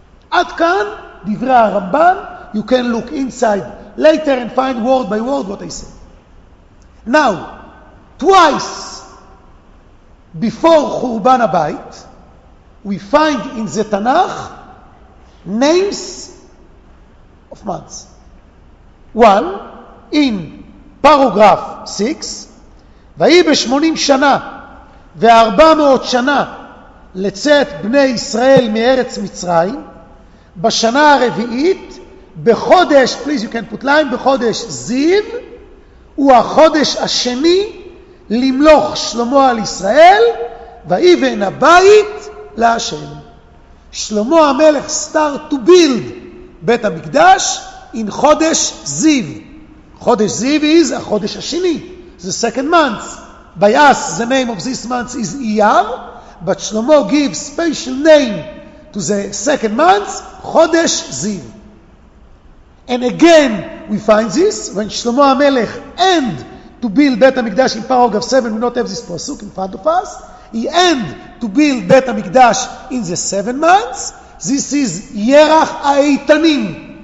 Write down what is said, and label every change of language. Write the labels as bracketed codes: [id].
[he] עד כאן דברי הרמב"ן. [en] You can look inside later and find word by word what I said. Now, twice before Churban HaBayit, we find in the Tanakh names of months. One, in paragraph 6, [he] ויהי ב-80 שנה ו-400 שנה לצאת בני ישראל מארץ מצרים, בשנה הרביעית, בחודש, [en] please you can put line, [he] בחודש זיו, הוא החודש השני למלוך שלמה על ישראל, ויבן הבית להשם. [en] שלמה המלך start to build בית המקדש in חודש זיו. חודש זיו is החודש השני, the second month. By us, the name of this month is Iyar, but שלמה gives special name to the second month, חודש זיו. And again, we find this, when שלמה המלך end to build בית המקדש in paragraph 7, we not have this פסוק in front of us, he end to build בית המקדש in the 7 months, this is ירח האיתנים.